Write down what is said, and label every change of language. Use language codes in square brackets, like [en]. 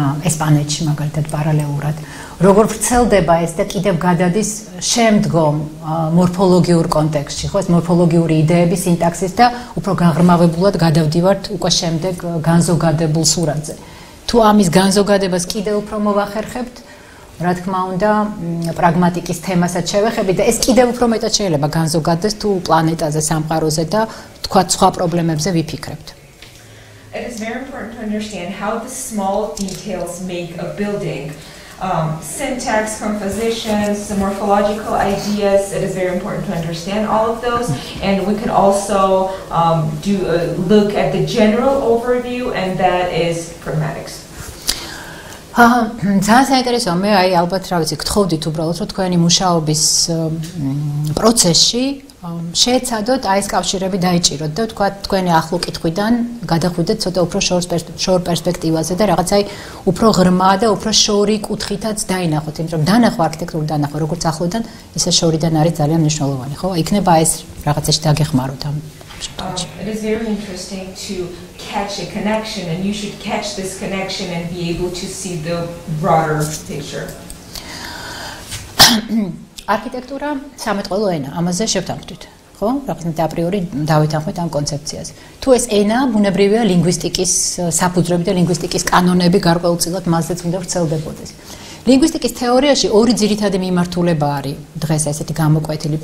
[ka] ესპანეთში მაგალითად პარალელურად როგორ ვრცელდება ეს და კიდევ გადადის შემდგომ მორფოლოგიურ კონტექსტში ხო ეს მორფოლოგიური იდეები სინტაქსის და უფრო გაღრმავებულად გადავდივართ უკვე შემდეგ განზოგადებულ სურათზე თუ ამის განზოგადებას კიდევ უფრო მოვახერხებთ რა თქმა უნდა პრაგმატიკის თემასაც შევეხები და ეს კიდევ უფრო მეტად შეიძლება განზოგადდეს თუ პლანეტაზე სამყაროზე და თქვათ სხვა პრობლემებზე ვიფიქრებთ. [en] It is very important to understand how the small details make a building. Syntax, compositions, the morphological ideas, it is very important to understand all of those and we can also do a look at the general overview and that is pragmatics. [ka] ძალიან საინტერესოა მე აი ალბათ რა ვიცი გთხოვდით უბრალოდ რომ თქვენი მუშაობის პროცესში შეეცადოთ აი ეს კავშირები დაიჭიროთ და თქვა თქვენი ახლო კითხვიდან გადახვიდეთ ცოტა უფრო შორ პერსპექტივაზე და რაღაც აი უფრო ღრმა და უფრო შორი კუთხითაც დაინახოთ იმიტომ რომ დანახვა არქიტექტურული დანახვა როგორც ახლოდან ისე შორიდან არის ძალიან მნიშვნელოვანი ხო იქნება ეს რაღაცაში დაგეხმაროთ ამ [en] It is very interesting to catch a connection and you should catch this connection and be able to see the broader picture. [ka] არქიტექტურა სამეთყველო ენა, ამაზე შევთანხმდით, ხო? რაღაცნაირად აპრიორი დავითანხმეთ ამ კონცეფციას. თუ ეს ენა ბუნებრივია ლინგვისტიკის საფუძვლები და ლინგვისტიკის კანონები გარკვეულწილად მასზე წინდა ვრცელდებოდეს. ლინგვისტიკის თეორიაში ორი ძირითადი მიმართულება არის დღეს ესეთი გამოკვეთილი.